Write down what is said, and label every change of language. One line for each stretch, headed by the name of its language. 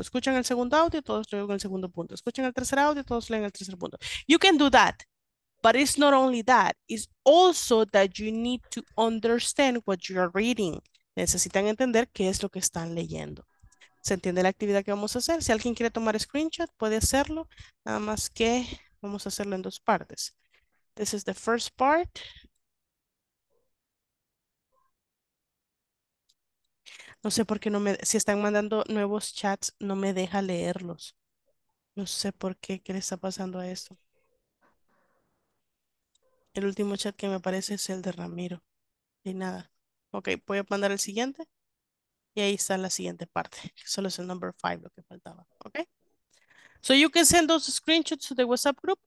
Spanish: Escuchan el segundo audio, todos leen el segundo punto. Escuchan el tercer audio, todos leen el tercer punto.
English: You can do that. But it's not only that, it's also that you need to understand what you're reading.
Spanish: Necesitan entender qué es lo que están leyendo. ¿Se entiende la actividad que vamos a hacer? Si alguien quiere tomar screenshot, puede hacerlo. Nada más que vamos a hacerlo en dos partes.
English: This is the first part.
Spanish: No sé por qué no me... Si están mandando nuevos chats, no me deja leerlos. No sé por qué, qué le está pasando a esto. El último chat que me aparece es el de Ramiro. Y nada. Ok, voy a mandar el siguiente. Y ahí está la siguiente parte. Solo es el number five lo que faltaba. Ok.
English: So you can send those screenshots to the WhatsApp group.